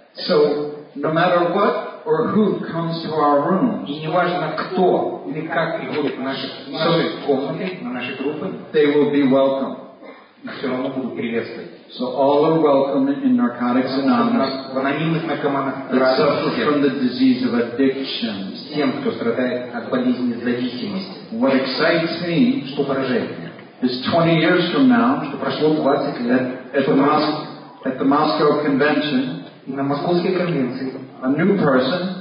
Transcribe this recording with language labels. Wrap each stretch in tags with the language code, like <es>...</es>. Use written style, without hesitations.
<en>So, no matter what or who comes to our room.</en> <ru>И неважно кто или как приходит в наши комнаты, на наши группы,</ru> <en>they will be welcome.</en> <ru>Все равно будут приветствовать.</ru> <en>So all are welcome in Narcotics Anonymous.</en> <ru>В анонимных наркоманах</ru> <en>suffer from the disease of addiction.</en> <ru>Всем, кто страдает от болезни зависимости.</ru> <en>What excites me,</en> <ru>что поражает меня,</ru> <en>is 20 years from now, at the Moscow Convention, a new person</en>